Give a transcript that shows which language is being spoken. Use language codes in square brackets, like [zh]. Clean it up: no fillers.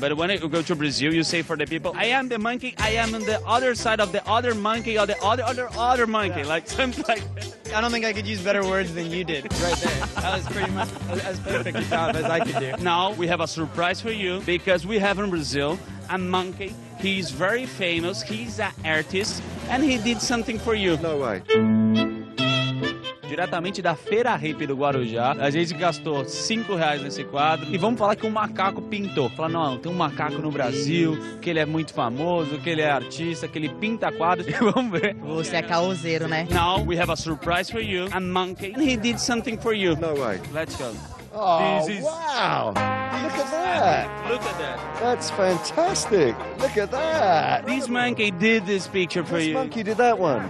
[en] But when you go to Brazil, you say for the people, I am the monkey, I am on the other side of the other monkey, or the other monkey, yeah. Like something like that. I don't think I could use better words than you did right there. That was pretty much as perfect a job as I could do. Now, we have a surprise for you, because we have in Brazil a monkey. He's very famous. He's an artist. and he did something for you. No way. [pt] Diretamente da Feira Hippie do Guarujá, a gente gastou R$5 nesse quadro e vamos falar que um macaco pintou. Fala, não, tem um macaco no Brasil, que ele é muito famoso, que ele é artista, que ele pinta quadros. E vamos ver. Você é caoseiro, né? [en] Now we have a surprise for you, a monkey, and he did something for you. No way. Let's go. Oh, wow! Look at that! Look at that! That's fantastic! Look at that! This monkey did this picture for you. This monkey did that one?